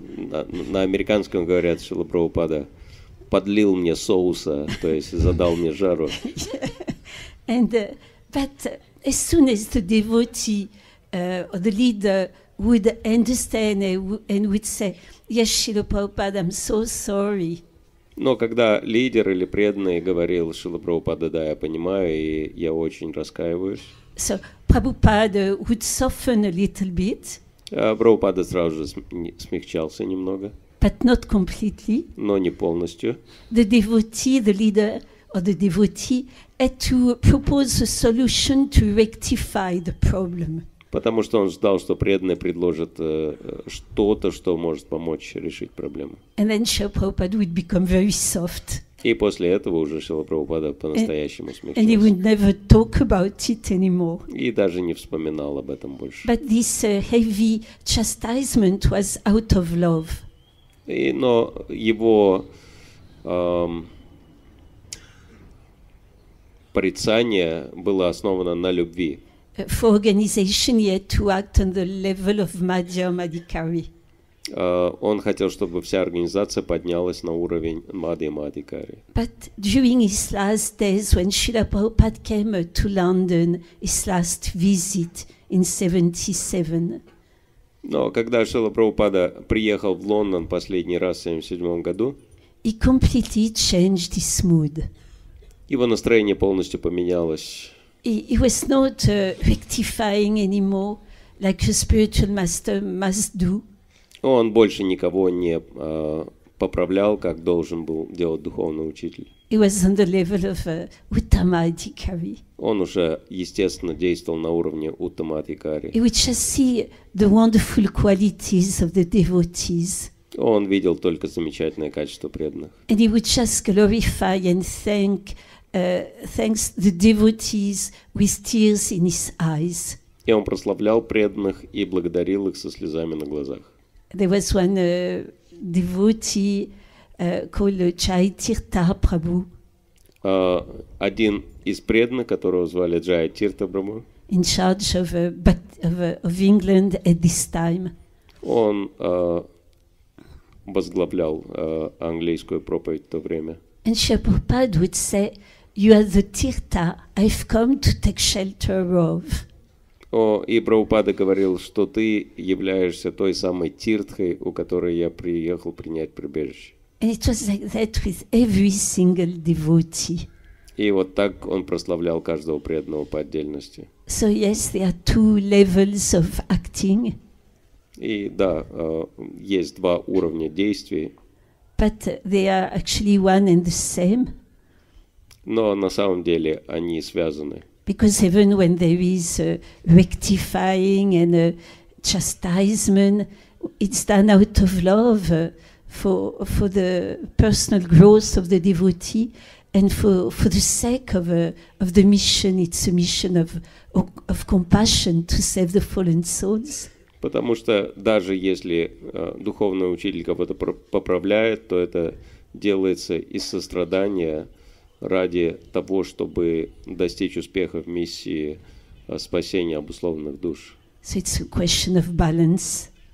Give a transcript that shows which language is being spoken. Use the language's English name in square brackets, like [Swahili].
[Russian] На американском говорят, Шрила Прабхупада подлил мне соуса, то есть задал мне жару. [English] Yeah. And but as soon as the devotee or the leader would understand and would say, yes, Srila Prabhupada, I'm so sorry. [Russian] Но когда лидер или преданный говорил Шрила Прабхупада, да, я понимаю, и я очень раскаиваюсь. [English] So, Prabhupada would soften a little bit. [Russian] Прабхупада сразу же смягчался немного. [English] But not completely. [Russian] Но не полностью. [English] The devotee, the leader or the devotee had to propose a solution to rectify the problem. [Russian] Потому что он ждал, что преданный предложит что-то, что может помочь решить проблему. [English] And then Srila Prabhupada would become very soft. [Russian] И после этого уже Шрила Прабхупада по-настоящему смягчился. [English] And he would never talk about it anymore. [Russian] И даже не вспоминал об этом больше. [English] But this heavy chastisement was out of love. [Russian] И, но его порицание было основано на любви. [English] For organization, he had to act on the level of Madhya Madhikari. [Russian] Он хотел, чтобы вся организация поднялась на уровень Madhya Madhikari. [English] But during his last days, when Srila Prabhupada came to London, his last visit in 77. [Russian] Но когда Шрила Прабхупада приехал в Лондон последний раз в 77 году, [English] he completely changed his mood. [Russian] Его настроение полностью поменялось. [English] He was not rectifying anymore, like a spiritual master must do. [Russian] Он больше никого не поправлял, как должен был делать духовный учитель. [English] He was on the level of Uttama Adhikari. [Russian] Он уже естественно действовал на уровне Uttama Adhikari. [English] He would just see the wonderful qualities of the devotees. [Russian] Он видел только замечательные качества преданных. [English] And he would just glorify and thank thanks the devotees with tears in his eyes. [Russian] И он прославлял преданных и благодарил их со слезами на глазах. [English] There was one devotee called Jayatirtha Prabhu. [Russian] Один из преданных, которого звали Jayatirtha Prabhu. [English] In charge of of England at this time. [Russian] Он возглавлял английскую проповедь в то время. [English] And Shabupad would say, "You are the Tirtha I've come to take shelter of." [Russian] И Прабхупада говорил, что ты являешься той самой Тиртхой, у которой я приехал принять прибежище. [English] And it was like that with every single devotee. [Russian] И вот так он прославлял каждого преданного по отдельности. [English] So yes, there are two levels of acting. [Russian] И да, есть два уровня действий. [English] But they are actually one and the same. [Russian] Но на самом деле они связаны. [English] Because even when there is a rectifying and a chastisement, it's done out of love for the personal growth of the devotee and for the sake of the mission. It's a mission of compassion to save the fallen souls. [Russian] Потому что даже если духовный учитель кого-то поправляет, то это делается из сострадания ради того, чтобы достичь успеха в миссии спасения обусловленных душ. [English] So it's a question of balance.